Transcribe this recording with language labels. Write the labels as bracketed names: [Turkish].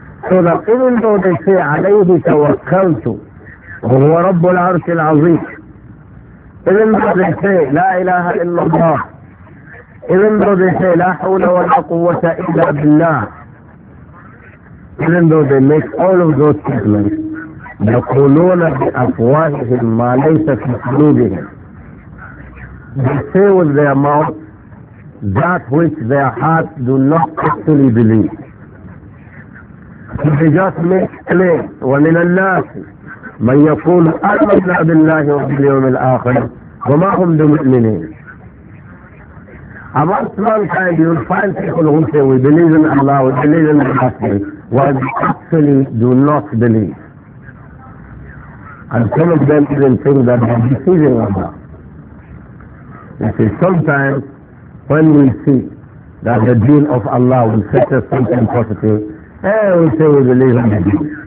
[English] So that even though they say, [Arabic] عَلَيْهِ تَوَكَّلْتُ وَهُوَ رَبُّ الْعَرْشِ الْعَظِيمِ, [English] even though they say, [Arabic] لَا إِلَهَ إِلَّا اللَّهِ, [English] even though they say, [Arabic] لَا حَوْلَ وَلَا قُوَّةَ إِلَّا بِاللَّهِ, [English] even though they make all of those statements, [Arabic] يَقُولُونَ بِأَفْوَاهِهِمْ مَا لَيْسَ فِي قُلُوبِهِمْ, [English] they say with their mouth that which their hearts do not actually believe. So they just make claims, [Arabic] وَمِنَ النَّاسِ مَنْ يَقُولُ آمَنَّا بِاللَّهِ وَبِالْيَوْمِ الْآخِرِ وَمَا هُمْ بِمُؤْمِنِينَ. [English] Amongst mankind, you will find people who say, we believe in Allah, we believe in the last day, while they actually do not believe. And some of them even think that they are deceiving Allah. You see, sometimes when we see that the deen of Allah will set us something positive, we say we believe in the deen.